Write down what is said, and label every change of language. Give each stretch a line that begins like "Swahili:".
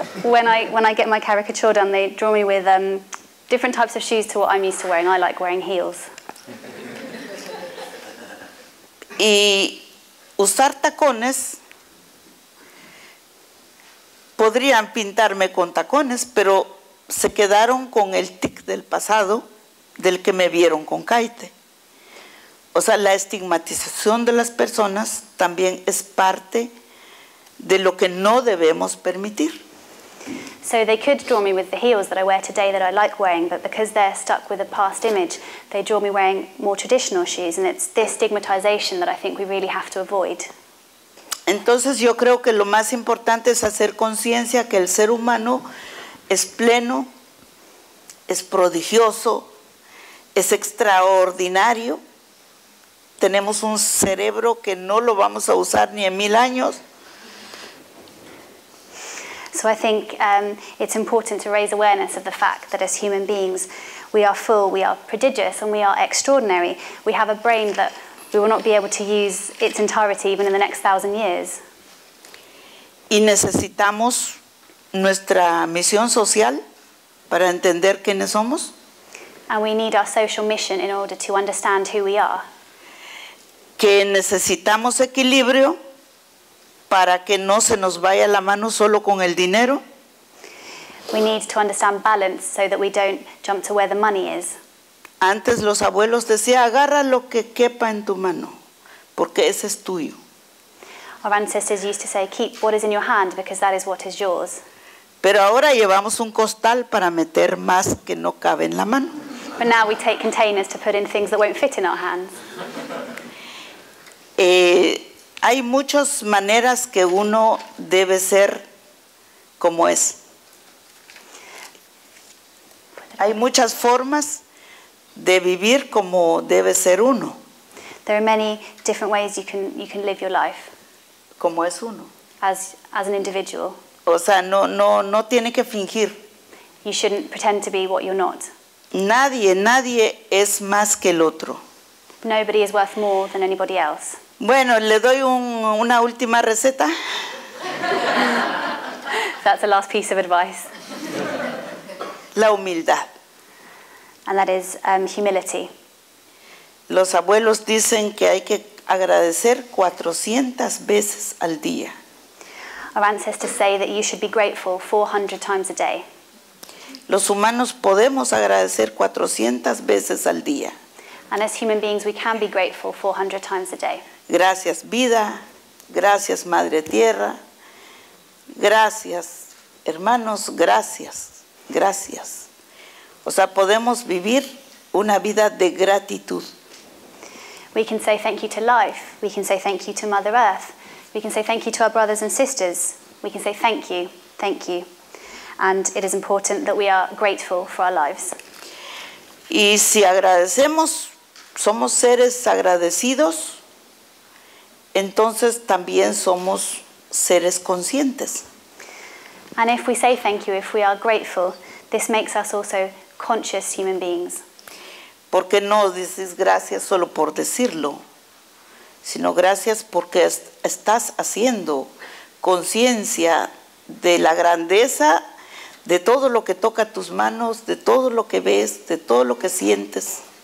English: When I get my caricature done, they draw me with different types of shoes to what I'm used to wearing. I like wearing heels.
Spanish: Y usar tacones, podrían pintarme con tacones, pero se quedaron con el tic del pasado. Del que me vieron con caite. O sea, la estigmatización de las personas también es parte de lo que no debemos permitir.
English: So they could draw me with the heels that I wear today that I like wearing, but because they're stuck with a past image, they draw me wearing more traditional shoes, and it's this stigmatization that I think we really have to avoid.
Spanish: Entonces yo creo que lo más importante es hacer conciencia que el ser humano es pleno, es prodigioso, es extraordinario. Tenemos un cerebro que no lo vamos a usar ni en mil años.
English: So I think it's important to raise awareness of the fact that as human beings, we are full, we are prodigious, and we are extraordinary. We have a brain that we will not be able to use its entirety even in the next 1,000 years.
Spanish: Y necesitamos nuestra misión social para entender quiénes somos.
English: And we need our social mission in order to understand who we are.
Spanish: Que necesitamos equilibrio para que no se nos vaya la mano solo con el dinero.
English: We need to understand balance so that we don't jump to where the money is.
Spanish: Antes los abuelos decían, agarra lo que quepa en tu mano, porque ese es tuyo.
English: Our ancestors used to say, keep what is in your hand because that is what is yours.
Spanish: Pero ahora llevamos un costal para meter más que no cabe en la mano.
English: But now we take containers to put in things that won't fit in our hands.
Spanish: Hay muchas maneras que uno debe ser como es. Hay muchas formas de vivir como debe ser uno.
English: There are many different ways you can live your life.
Spanish: Como es uno.
English: As an individual.
Spanish: O sea, no tiene que fingir.
English: You shouldn't pretend to be what you're not.
Spanish: Nadie es más que el otro.
English: Nobody is worth more than anybody else.
Spanish: Bueno, le doy una última receta.
English: That's the last piece of advice.
Spanish: La humildad.
English: And that is humility.
Spanish: Los abuelos dicen que hay que agradecer 400 veces al día.
English: Our ancestors say that you should be grateful 400 times a day.
Spanish: Los humanos podemos agradecer 400 veces al día.
English: And as human beings, we can be grateful 400 times a day.
Spanish: Gracias, vida. Gracias, Madre Tierra. Gracias, hermanos. Gracias. Gracias. O sea, podemos vivir una vida de gratitud.
English: We can say thank you to life. We can say thank you to Mother Earth. We can say thank you to our brothers and sisters. We can say thank you. Thank you. And it is important that we are grateful for our lives.
Spanish: Y si agradecemos, somos seres agradecidos, entonces también somos seres conscientes.
English: And if we say thank you, if we are grateful, this makes us also conscious human beings.
Spanish: Porque no dices gracias solo por decirlo, sino gracias porque estás haciendo conciencia de la grandeza de todo lo que toca tus manos, de todo lo que ves, de todo lo que sientes.